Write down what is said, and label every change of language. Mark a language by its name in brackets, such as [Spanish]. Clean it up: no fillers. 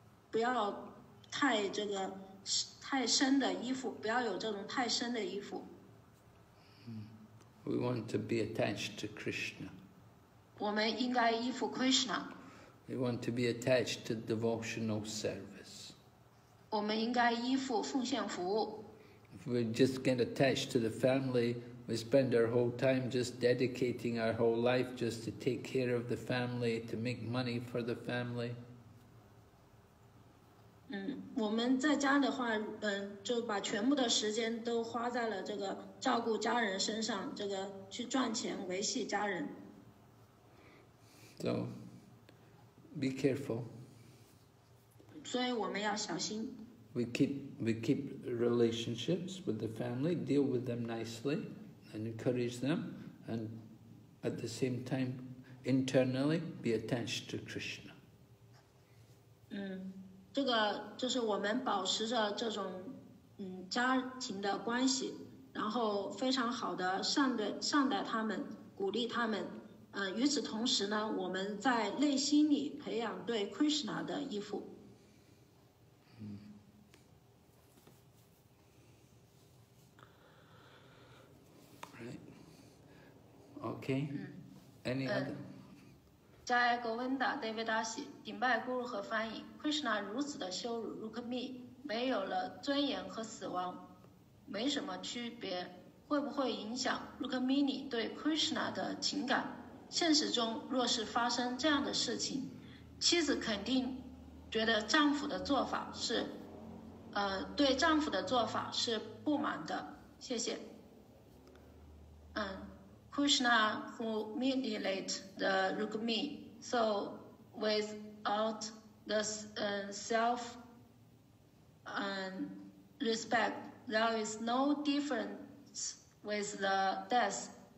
[Chinese] 不要太这个太深的衣服，不要有这种太深的衣服。 [English] We want to be attached to Krishna. [Chinese] 我们应该依附 Krishna. [English] We want to be attached to devotional service. [Chinese] 我们应该依附奉献服务。 [English] If we just get attached to the family, we spend our whole time just dedicating our whole life just to take care of the family, to make money for the family. [Chinese] 我们在家的话，就把全部的时间都花在了这个照顾家人身上，这个去赚钱维系家人。 [English] So, be careful. [Chinese] 所以我们要小心。 [English] We keep relationships with the family, deal with them nicely, and encourage them, and at the same time, internally be attached to Krishna. [Chinese] 这个就是我们保持着这种家庭的关系，然后非常好的善待他们，鼓励他们。与此同时呢，我们在内心里培养对 Krishna 的依附。 [English] Okay. Any other? [Chinese] Jai Govinda, Devadasi, 顶拜 Guru 和翻译 Krishna 如此的羞辱 Rukmi 没有了尊严和死亡，没什么区别，会不会影响 Rukmini 对 Krishna 的情感？现实中若是发生这样的事情，妻子肯定觉得丈夫的做法是，对丈夫的做法是不满的。谢谢。 [English] Krishna humiliate the Rukmi, so without the self respect, there is no difference with the death.